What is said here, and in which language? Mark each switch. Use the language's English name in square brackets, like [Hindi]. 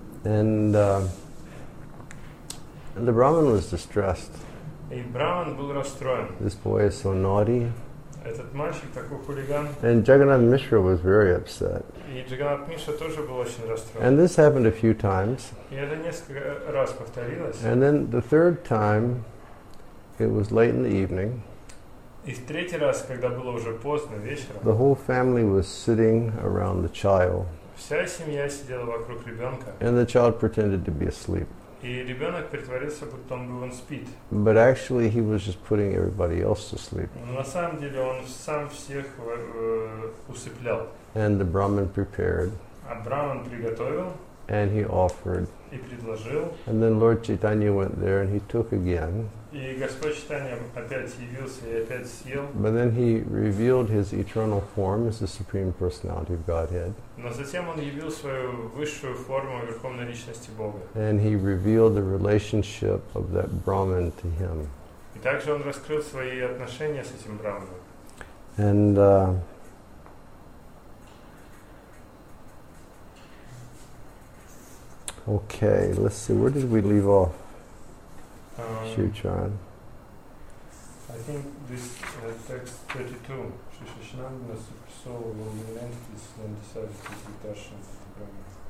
[English] And the Brahman was distressed. [Russian] И Брахман был расстроен. [English] This boy is so naughty. [Russian] Этот мальчик такой хулиган. [English] And Jagannath Mishra was very upset. [Russian] И Джаганнат Мишра тоже был очень расстроен. [English] And this happened a few times. [Russian] И это несколько раз повторилось. [English] And then the third time, it was late in the evening. [Russian] И в третий раз, когда было уже поздно вечером. [English] The whole family was sitting around the child. [Russian] Вся семья сидела вокруг ребенка. [English] And the child pretended to be asleep. [Russian] И ребенок притворился, будто он спит. [English] But actually, he was just putting everybody else to sleep. [Russian] Но на самом деле он сам всех усыплял. [English] And the Brahman prepared. [Russian] А Брахман приготовил. [English] And he offered. [Russian] И предложил. [English] And then Lord Chaitanya went there and he took again. [Russian] И Господь Чайтанья опять явился и опять съел. [English] But then he revealed his eternal form as the Supreme Personality of Godhead. [Russian] Но затем он явил свою высшую форму Верховной Личности Бога. [English] And he revealed the relationship of that Brahman to him. [Russian] И также он раскрыл свои отношения с этим Брахманом. [English] And okay, let's see, where did we leave off? Shuchan. I think this text 32, Shishishananda Supersoul will be an entity and decided to take darshan of the Brahman.